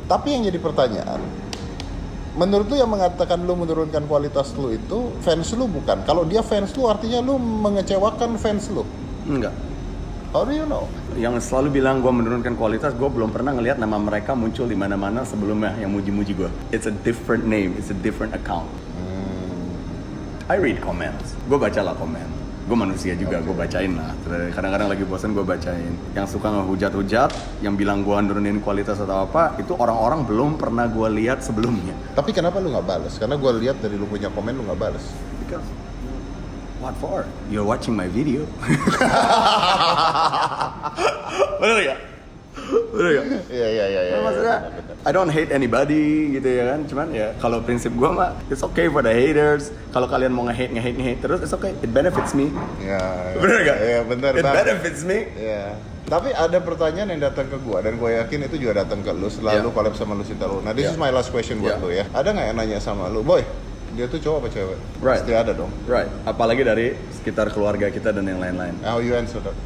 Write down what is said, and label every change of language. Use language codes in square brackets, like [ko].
[id] Tapi yang jadi pertanyaan, menurut lu yang mengatakan lu menurunkan kualitas lu itu fans lu bukan? Kalau dia fans lu artinya lu mengecewakan fans lu? Enggak. [en] How do you know? [id] Yang selalu bilang gua menurunkan kualitas, gua belum pernah ngelihat nama mereka muncul di mana-mana sebelumnya yang muji-muji gua. [en] It's a different name, it's a different account. I read comments. [id] Gua bacalah komen. Gue manusia juga, okay. Gue bacain lah. Kadang-kadang lagi bosan gue bacain. Yang suka ngehujat-hujat, yang bilang gue nurunin kualitas atau apa, itu orang-orang belum pernah gue lihat sebelumnya. Tapi kenapa lu gak balas? Karena gue lihat dari lu punya komen, lu gak balas. [en] Because, what for? You're watching my video. [id] Bener ya? Bener ya? Iya. Maksudnya, [en] I don't hate anybody [id] gitu ya kan. Cuman ya, kalau prinsip gue mah, [en] it's okay for the haters. [id] Kalau kalian mau nge-hate terus, [en] it's okay. It benefits me. [id] Iya. Bener gak? Iya, bener. [en] It benefits me. [id] Iya. Tapi ada pertanyaan yang datang ke gue, dan gue yakin itu juga datang ke lu. Selalu collab sama Lucinta Luna. [en] This is my last question [id] buat lu ya. Ada gak yang nanya sama lu? Boy, dia tuh cowok apa cewek? [en] Right. [id] Pasti ada dong. [en] Right. [id] Apalagi dari sekitar keluarga kita dan yang lain-lain. [en] How you answer that?